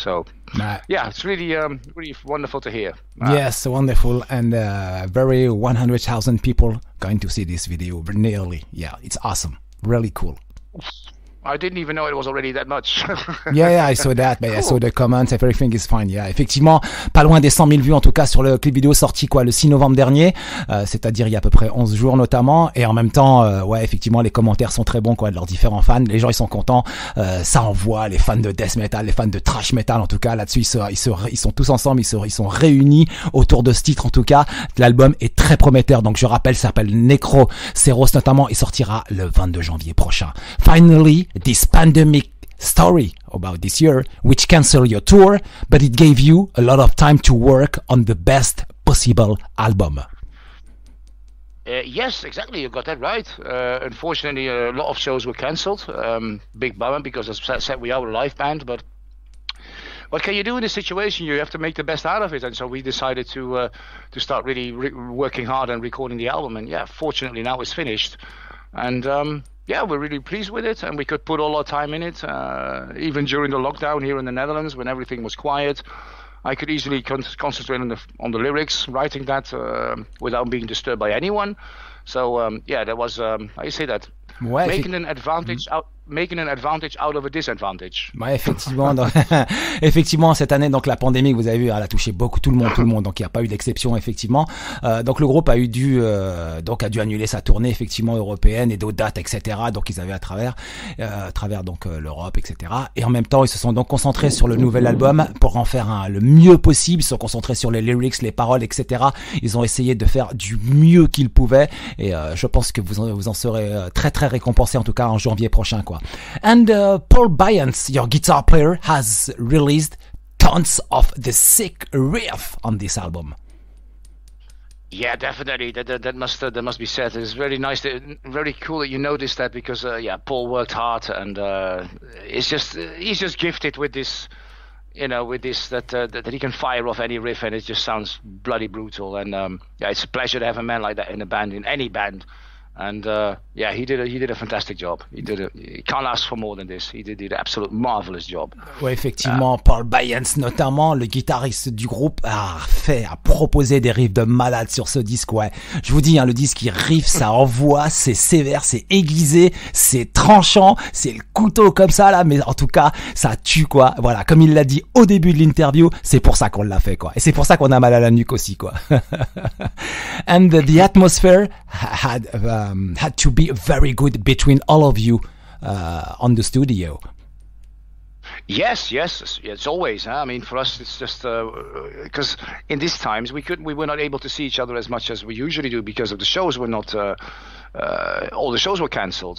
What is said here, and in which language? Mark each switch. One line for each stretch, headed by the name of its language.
English: So, yeah, it's really, really wonderful to hear. Yes, wonderful. And very 100,000 people going to see this video, nearly. Yeah, it's awesome. Really cool. I didn't even know it was already that much. yeah, I saw that, but cool. I saw the comments, everything is fine.
French: Yeah, effectivement, pas loin des 100 000 vues, en tout cas, sur le clip vidéo sorti, quoi, le 6 novembre dernier, c'est-à-dire il y a à peu près 11 jours, notamment, et en même temps, ouais, effectivement, les commentaires sont très bons, quoi, de leurs différents fans, les gens, ils sont contents, ça envoie, les fans de death metal, les fans de trash metal, en tout cas, là-dessus, ils sont tous ensemble, ils sont réunis autour de ce titre, en tout cas, l'album est très prometteur, donc je rappelle, ça s'appelle Necro Ceros, notamment, il sortira le 22 janvier prochain.
English: Finally, this pandemic story about this year, which canceled your tour, but it gave you a lot of time to work on the best possible album. Yes, exactly. You got that right. Unfortunately, a lot of shows were canceled. Big bummer, because as I said, we are a live band, but what can you do in this situation? You have to make the best out of it. And so we decided to start really working hard and recording the album. And yeah, fortunately, now it's finished. And yeah, we're really pleased with it, and we could put all our time in it. Even during the lockdown here in the Netherlands, when everything was quiet, I could easily concentrate on the lyrics, writing that without being disturbed by anyone. So yeah, that was I say that ouais, making an advantage out of a disadvantage.
French: Ouais, effectivement, effectivement, cette année, donc la pandémie, vous avez vu, elle a touché beaucoup tout le monde, donc il n'y a pas eu d'exception, effectivement. Donc le groupe a dû annuler sa tournée, effectivement, européenne et d'autres dates, etc. Donc ils avaient à travers l'Europe, etc. Et en même temps, ils se sont donc concentrés sur le nouvel album pour en faire le mieux possible. Ils se sont concentrés sur les lyrics, les paroles, etc. Ils ont essayé de faire du mieux qu'ils pouvaient, et je pense que vous en serez très très récompensés, en tout cas en janvier prochain.
English: And Paul Byans, your guitar player, has released tons of the sick riff on this album. Yeah, definitely. That must be said. It's very nice, very cool that you noticed that, because yeah, Paul worked hard, and he's just gifted with this, you know, with this that he can fire off any riff, and it just sounds bloody brutal. And yeah, it's a pleasure to have a man like that in a band, in any band. And yeah, he did a fantastic job. He can't ask for more than this. He did an absolute marvelous job.
French: Ouais, effectivement, Paul Byans, notamment le guitariste du groupe, a proposé des riffs de malade sur ce disque. Ouais, je vous dis, hein, le disque, il riff, ça envoie, c'est sévère, c'est aiguisé, c'est tranchant, c'est le couteau comme ça là. Mais en tout cas, ça tue, quoi. Voilà, comme il l'a dit au début de l'interview, c'est pour ça qu'on l'a fait, quoi. Et c'est pour ça qu'on a mal à la nuque aussi, quoi.
English: And the atmosphere had to be very good between all of you on the studio. Yes, it's always. Huh? I mean, for us, it's just because in these times we were not able to see each other as much as we usually do because of the shows were not all the shows were cancelled.